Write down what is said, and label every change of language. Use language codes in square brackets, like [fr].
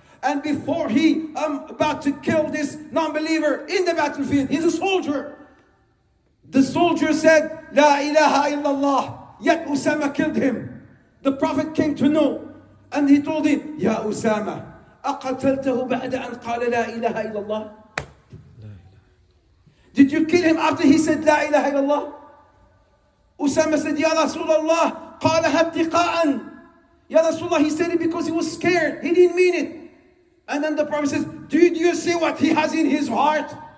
[en] And before he about to kill this non-believer in the battlefield, he's a soldier. The soldier said, La ilaha illallah. Yet Usama killed him. The Prophet came to know. And he told him, [ar] Ya Usama, أَقَتَلْتَهُ بَعْدَ أَنْ قَالَ لَا إِلَهَ إِلَّا اللَّهِ. [en] Did you kill him after he said, La ilaha illallah? Usama said, Ya Rasulallah, [ar] قَالَهَا ابْتِقَاءً. [en] Ya Rasulallah, he said it because he was scared. He didn't mean it. And then the Prophet says, Did you see what he has in his heart?